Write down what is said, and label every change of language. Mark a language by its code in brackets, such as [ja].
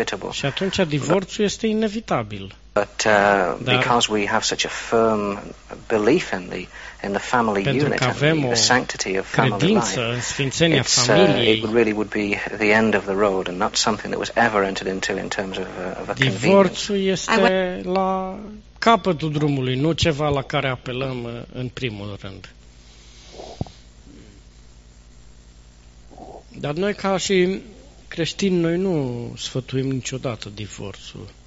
[ro] Și atunci divorțul este inevitabil. [en] But because we have such a firm belief in the family unit and the sanctity of family life, it really would be the end of the road and not something that was ever entered into in terms of a [ro] divorțul este la capătul drumului, nu ceva la care apelăm în primul rând. Dar noi ca și creștini, noi nu sfătuim niciodată divorțul.